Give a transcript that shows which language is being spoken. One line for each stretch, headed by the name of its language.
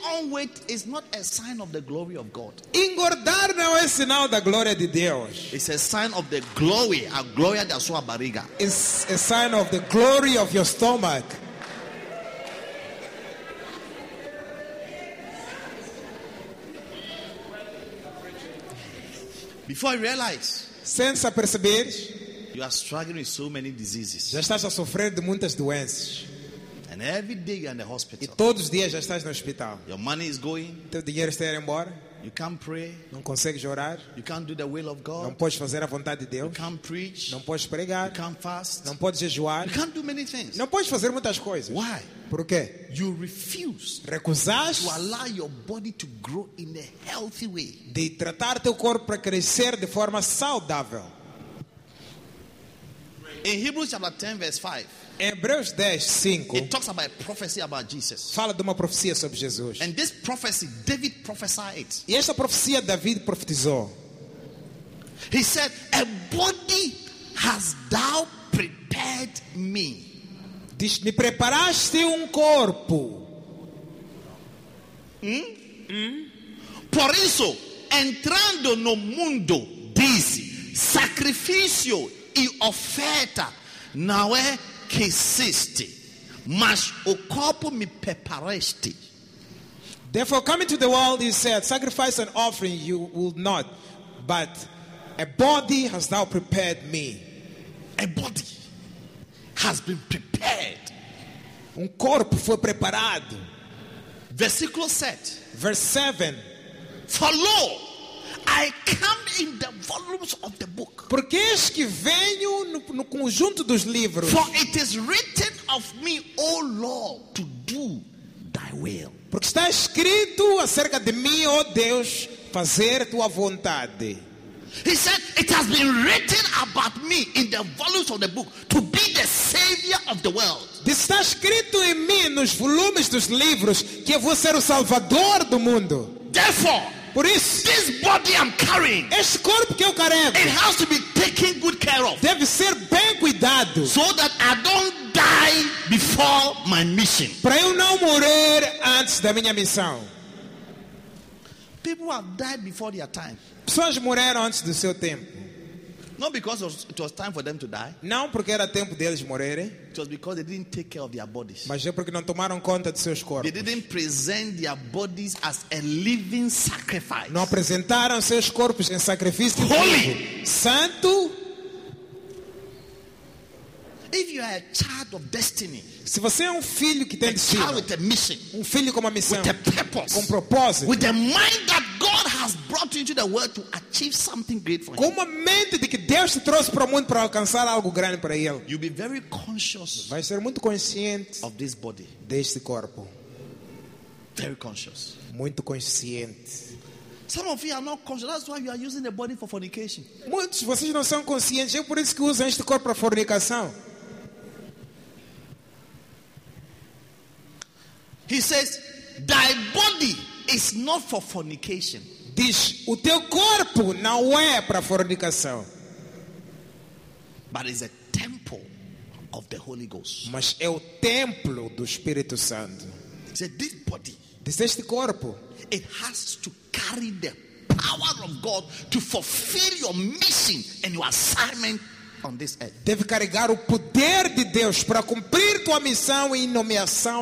English: Weight is not a sign of the glory of God.
Portuguese: Engordar não é sinal da glória de Deus.
English: It's a sign of the glory,
Portuguese: a glória da sua barriga. It's a sign of the glory of your stomach.
English: Before I realize,
Portuguese: sem se aperceber,
English: you are struggling with so many diseases.
Portuguese: Já estás a sofrer de muitas doenças.
English: And every day you're in the hospital.
Portuguese: E todos os dias já estás no hospital.
English: Your money is going.
Portuguese: Teu dinheiro está indo embora.
English: You can't pray.
Portuguese: Não consegues orar.
English: You can't do the will of God.
Portuguese: Não podes fazer a vontade de Deus.
English: You can't preach.
Portuguese: Não podes pregar.
English: You can't fast.
Portuguese: Não podes jejuar.
English: You can't do many things.
Portuguese: Não podes fazer muitas coisas.
English: Why?
Portuguese: Por quê?
English: You refuse.
Portuguese: Recusaste
English: to allow your body to grow in a healthy way.
Portuguese: De tratar teu corpo para crescer de forma saudável.
English: In Hebrews chapter 10 verse 5.
Portuguese: Em Hebreus 10, 5,
English: it talks about a prophecy about Jesus.
Portuguese: Fala de uma profecia sobre Jesus.
English: And this prophecy, David prophesied.
Portuguese: E esta profecia, David profetizou.
English: He said, "A body has thou prepared me."
Portuguese: Diz, me preparaste um corpo. Por isso, entrando no mundo, diz, sacrifício e oferta, não é que existe, mas o corpo me preparaste.
English: Therefore, coming to the world, he said, sacrifice and offering you will not, but a body has now prepared me. A body has been prepared.
Portuguese: Um corpo foi preparado. Versículo 7.
English: Verse 7. For lo, I come in the volumes of the book.
Portuguese: Porque eis que venho no conjunto dos livros.
English: For it is written of me, O Lord, to do thy will.
Portuguese: Porque está escrito acerca de mim, ó Deus, fazer tua vontade.
English: He said, it has been written about me in the volumes of the book to be the savior of the world.
Portuguese: Está escrito em mim nos volumes dos livros que eu vou ser o salvador do mundo.
English: Therefore,
Portuguese: por isso,
English: this body I'm carrying,
Portuguese: este corpo que eu carrego,
English: it has to be taken good care of,
Portuguese: deve ser bem cuidado,
English: so that I don't die before my mission,
Portuguese: para eu não morrer antes da minha missão.
English: People have died before their time.
Portuguese: Pessoas morreram antes do seu tempo.
English: Not because it was time for them to die.
Portuguese: Não porque era tempo deles morrerem.
English: It was because they didn't take care of their bodies.
Portuguese: Mas é porque não tomaram conta de seus corpos.
English: They didn't present their bodies as a living sacrifice.
Portuguese: Não apresentaram seus corpos em sacrifício.
English: Holy,
Portuguese: santo.
English: If you are a child of destiny,
Portuguese: se você é um filho que tem destino,
English: a child with a mission,
Portuguese: um filho com uma missão,
English: with a purpose,
Portuguese: com um propósito,
English: with a mind that God has brought into the world to achieve something great for you,
Portuguese: com uma mente de que Deus te trouxe para o mundo para alcançar algo grande para ele,
English: you'll be very conscious,
Portuguese: vai ser muito consciente
English: of this body,
Portuguese: deste corpo,
English: very conscious,
Portuguese: muito consciente.
English: Some of you are not conscious. That's why you are using the body for fornication.
Portuguese: Muitos de vocês não são conscientes. É por isso que usam este corpo para fornicação.
English: He says, "Thy body is not for fornication."
Portuguese: Diz, o teu corpo não é para fornicação.
English: But it's a temple of the Holy Ghost.
Portuguese: Mas é o templo do Espírito Santo.
English: He said, "This body."
Portuguese: Diz, este corpo.
English: It has to carry the power of God to fulfill your mission and your assignment on this earth.
Portuguese: Deve carregar o poder de Deus para cumprir tua missão e nomeação.